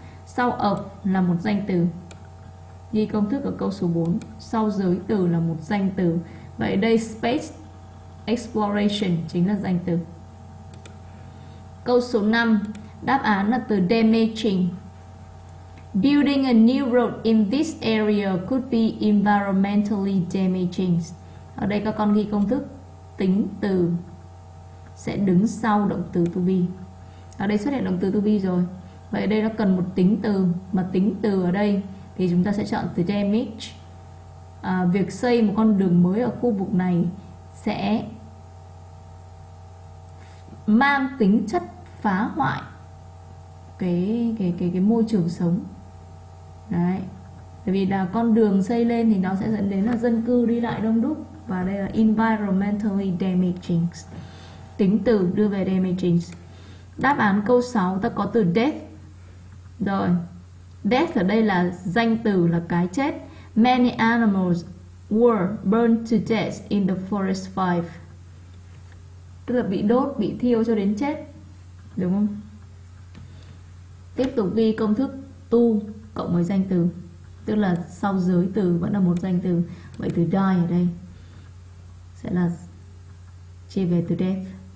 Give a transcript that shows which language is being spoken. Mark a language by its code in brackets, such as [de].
[vi] Sau Earth là một danh từ. Ghi công thức ở câu số 4. Sau giới từ là một danh từ. Vậy đây space Exploration chính là danh từ. Câu số 5, đáp án là từ damaging. [en] Building a new road in this area could be environmentally damaging. [vi] Ở đây các con ghi công thức tính từ sẽ đứng sau động từ to be. Ở đây xuất hiện động từ to be rồi. Vậy đây nó cần một tính từ, mà tính từ ở đây thì chúng ta sẽ chọn từ damage. Việc xây một con đường mới ở khu vực này sẽ mang tính chất phá hoại cái môi trường sống. Đấy. Tại vì là con đường xây lên thì nó sẽ dẫn đến là dân cư đi lại đông đúc, và đây là [en] environmentally damaging. [vi] Tính từ đưa về damaging. Đáp án câu 6 ta có từ death. Rồi. Death ở đây là danh từ, là cái chết. [en] Many animals were burned to death in the forest fire. [vi] Tức là bị đốt, bị thiêu cho đến chết. Đúng không? Tiếp tục ghi công thức tu cộng với danh từ. Tức là sau giới từ vẫn là một danh từ. Vậy từ die ở đây sẽ là chia về từ death.